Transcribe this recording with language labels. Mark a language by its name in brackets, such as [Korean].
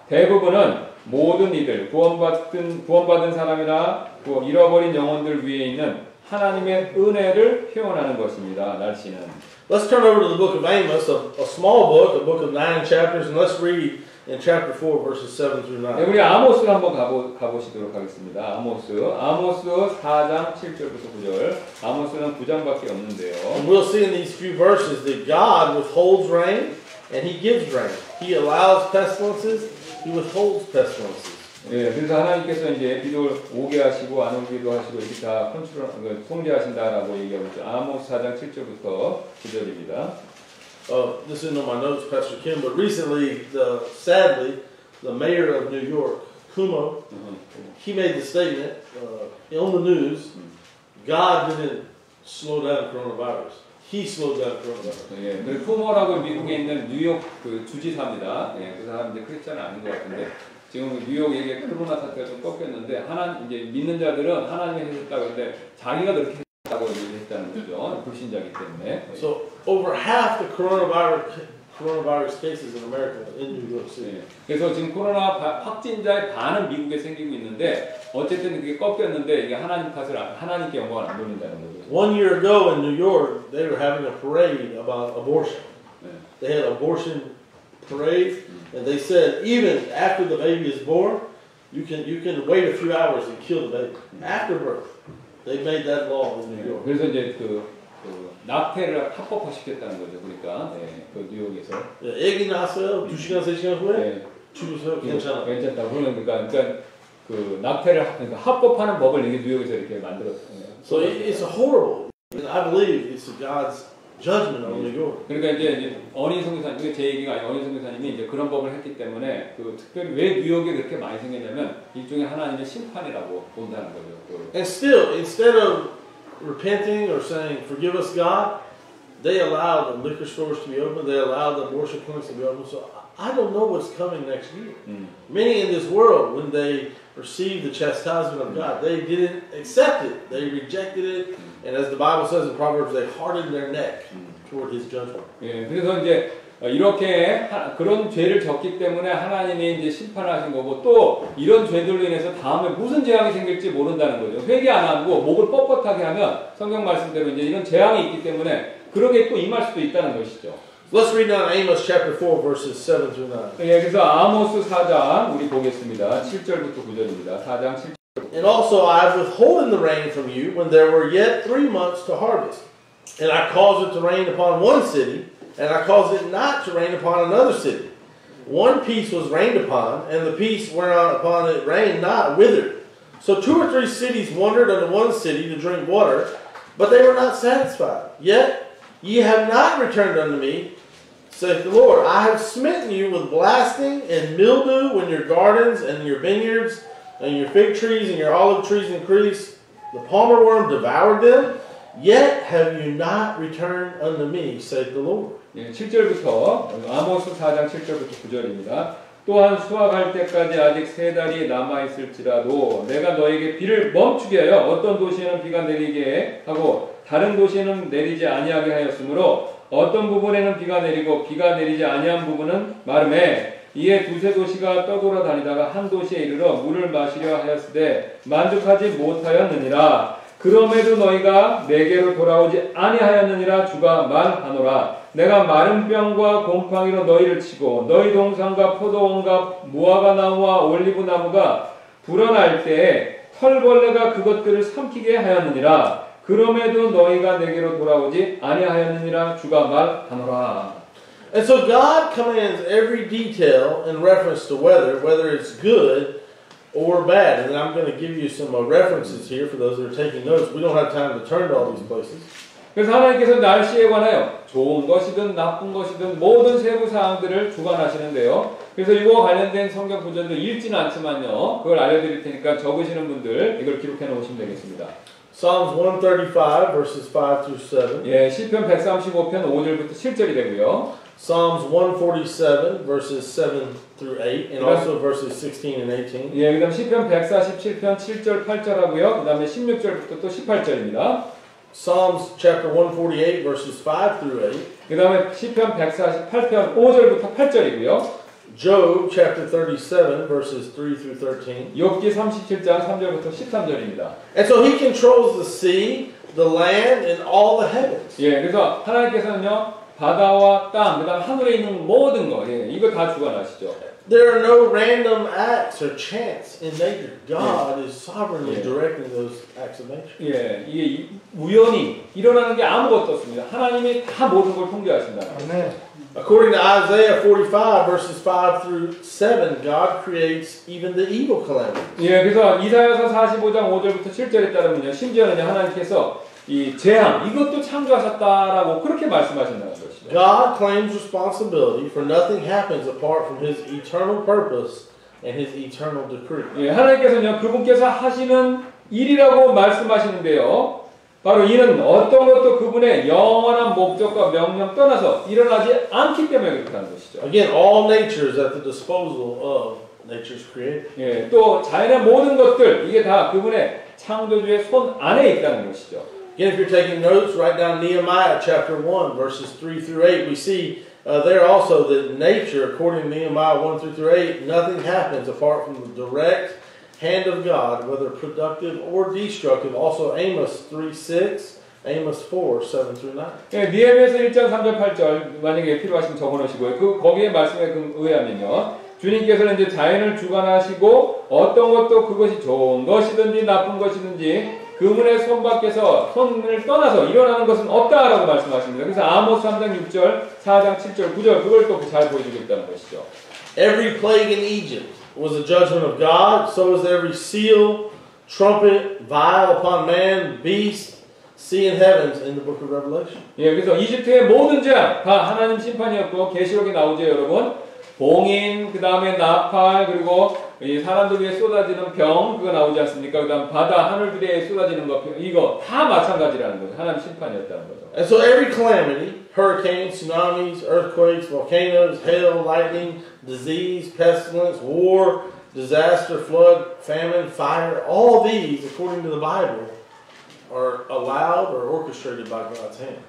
[Korean] 대부분은 모든 이들 구원받은 사람이나 잃어버린 영혼들 위에 있는 하나님의 은혜를 표현하는 것입니다. 날씨는. [English] Let's turn over to the book of Amos, a small book, a book of 9 chapters, and let's read in chapter 4, verses 7-9. [Korean] 네, 우리 아모스 한번 가보시도록 하겠습니다. 아모스 4장 7절부터 9절. 아모스는 9장밖에 없는데요. [English] And we'll see in these few verses that God withholds rain and He gives rain. He allows pestilences. He withholds pestilences. [Korean] 예, 그래서 하나님께서 이제 비도 오게 하시고 안 오기도 하시고 이렇게 다 통제하신다라고 얘기하고 있죠. 아모스 4장 7절부터 9절입니다. [English] This isn't on my notes, Pastor Kim, but recently, sadly, the mayor of New York, Cuomo, he made the statement on the news, God didn't slow down coronavirus. He slowed down coronavirus. [Korean] 예, 쿠모라고 미국에 있는 뉴욕 그 주지사입니다. 예, 그 사람 이제 크리스찬 아닌 것 같은데 지금 뉴욕 얘기에 코로나 사태가 좀 꺾였는데 이제 믿는 자들은 하나님이 해줬다고 했는데 자기가 그렇게 했다고 얘기했다는 거죠. 불신자기 때문에. [English] So over half the coronavirus cases in America in New York City. 예, [Korean] 그래서 지금 코로나 확진자의 반은 미국에 생기고 있는데 어쨌든 그게 꺾였는데 이게 하나님 탓을 하나님께 영광을 안 돌린다는 거죠. [English] One year ago in New York, they were having a parade about abortion. They had abortion parade, and they said even after the baby is born, you can wait a few hours and kill the baby after birth. They made that law in New York. [Korean] 그래서 이제 그 낙태를 합법화시켰다는 거죠, 그러니까 그 뉴욕에서. 애기 낳았어요? 두 시간 세 시간 후에 죽었어요? 괜찮아? 괜찮다. 그러니까 그 낙태를 그러니까 합법화하는 법을 이게 뉴욕에서 이렇게 만들었어요. [English] So it's horrible. I believe it's God's judgment on New York. [Korean] 그러니까 이제 어린 성교사님, 이게 제 얘기가 아니에요. 어린 성교사님이 이제 그런 법을 했기 때문에 그 특별히 왜 뉴욕에 그렇게 많이 생겼냐면 일종의 하나님의 심판이라고 본다는 거죠. [English] And still, instead of repenting or saying, "Forgive us, God," they allow the liquor stores to be open, they allow the abortion clinics to be open, so I don't know what's coming next year. Many in this world, when they received the chastisement of God, they didn't accept it. They rejected it, and as the Bible says in Proverbs, they hardened their neck toward His judgment. [Korean] 그래서 이제 이렇게 그런 죄를 졌기 때문에 하나님이 이제 심판하신 거고 또 이런 죄들로 인해서 다음에 무슨 재앙이 생길지 모른다는 거죠. 회개 안 하고 목을 뻣뻣하게 하면 성경 말씀대로 이제 이런 재앙이 있기 때문에 그런 게 또 임할 수도 있다는 것이죠. [English] Let's read now Amos chapter 4 verses 7 through 9. [Korean] 예, 그래서 아모스 4장 우리 보겠습니다. 7절부터 9절입니다. 4장 7절. [English] And also I have withholden the rain from you when there were yet 3 months to harvest. And I caused it to rain upon one city, and I caused it not to rain upon another city. One piece was rained upon, and the piece whereon upon it rained not withered. So 2 or 3 cities wandered unto one city to drink water, but they were not satisfied. Yet ye have not returned unto me, saith the Lord. I have smitten you with blasting and mildew in your gardens and your vineyards and your fig trees and your olive trees increased. The palmer worm devoured them. Yet have you not returned unto me, saith the Lord. [Korean] 예, 7절부터 아모스 4장 7절부터 9절입니다. 또한 수확할 때까지 아직 세 달이 남아 있을지라도 내가 너에게 비를 멈추게 하여 어떤 도시에는 비가 내리게 하고 다른 도시에는 내리지 아니하게 하였으므로 어떤 부분에는 비가 내리고 비가 내리지 아니한 부분은 마름에 이에 두세 도시가 떠돌아 다니다가 한 도시에 이르러 물을 마시려 하였으되 만족하지 못하였느니라. 그럼에도 너희가 내게로 돌아오지 아니하였느니라 주가 말하노라. 내가 마른 병과 곰팡이로 너희를 치고 너희 동산과 포도원과 무화과 나무와 올리브 나무가 불어날 때에 털벌레가 그것들을 삼키게 하였느니라. 그럼에도 너희가 내게로 돌아오지 아니하였느니라 주가 말하노라. [English] And so God commands every detail in reference to weather, whether it's good or bad. And I'm going to give you some references here for those that are taking notes. We don't have time to turn to all these places. [Korean] 그래서 하나님께서 날씨에 관하여 좋은 것이든 나쁜 것이든 모든 세부 사항들을 주관하시는데요. 그래서 이거 관련된 성경 구절도 읽지는 않지만요. 그걸 알려드릴 테니까 적으시는 분들 이걸 기록해 놓으시면 되겠습니다. [English] Psalms 135 verses 5 through 7. [Korean] 예, 시편 135편 5절부터 7절이 되고요. [English] Psalms 147 verses 7 through 8 and also verses 16 and 18. [Korean] 예, 그다음 시편 147편 7절 8절 하고요. 그다음에 16절부터 또 18절입니다. [English] Psalms chapter 148 verses 5 through 8. [Korean] 그다음에 시편 148편 5절부터 8절이고요. [English] Job chapter 37 verses 3 through 13. [Korean] 욥기 37장 3절부터 13절입니다. [English] And so he controls the sea, the land and all the heavens. [Korean] 예, 그래서 하나님께서는요. 바다와 땅, 그다음 하늘에 있는 모든 거, 예, 이거 다 주관하시죠. [English] There are no random acts or chance in nature. God is sovereignly directing those acts of nature. [Korean] 예, 이게 우연히 일어나는 게 아무것도 없습니다. 하나님이 다 모든 걸 통제하신다. [English] According to Isaiah 45 verses 5 through 7, God creates even the evil calamities. [Korean] 예, 그래서 이사야서 45장 5절부터 7절에 따르면요, 심지어는요 하나님께서 이 재앙 이것도 창조하셨다라고 그렇게 말씀하신다는 것이죠. [English] God claims responsibility for nothing happens apart from His eternal purpose and His eternal decree. [Korean] 예, 하나님께서는요 그분께서 하시는 일이라고 말씀하시는데요. 바로 이는 어떤 것도 그분의 영원한 목적과 명령 떠나서 일어나지 않기 때문에 그렇다는 것이죠. [English] Again, all nature is at the disposal of nature's creator. [Korean] 예, 또 자연의 모든 것들 이게 다 그분의 창조주의 손 안에 있다는 것이죠. [English] Again, if you're taking notes, write down Nehemiah chapter 1, verses 3 through 8. We see there also that nature, according to Nehemiah 1 through 8, nothing happens apart from the direct hand of God, whether productive or destructive. Also Amos 3, 6, Amos 4, 7 through 9. [Korean] 네, 니헤미야서 1장 3절 8절, 만약에 필요하시면 적어놓으시고요. 그 거기에 말씀에 의하면요. 주님께서는 이제 자연을 주관하시고 어떤 것도 그것이 좋은 것이든지 나쁜 것이든지 그분의 손밖에서 손을 떠나서 일어나는 것은 없다라고 말씀하십니다. 그래서 아모스 3장 6절, 4장 7절, 9절 그걸 또 잘 보여주겠다는 것이죠. [English] Every plague in Egypt was a judgment of God. So was every seal, trumpet, vial upon man, beast, sea and heavens in the book of Revelation. [Korean] 예, 그래서 이집트의 모든 재앙 다 하나님 심판이었고 계시록에 나오죠, 여러분. 봉인, 그 다음에 나팔, 그리고 이 사람들 위에 쏟아지는 병, 그거 나오지 않습니까? 그 다음 바다, 하늘 위에 쏟아지는 것, 이거 다 마찬가지라는 거죠. 하나님 심판이었다는 거죠. [English] And so every calamity, hurricanes, tsunamis, earthquakes, volcanoes, hail, lightning, disease, pestilence, war, disaster, flood, famine, fire, all these, according to the Bible, are allowed or orchestrated by God's hand.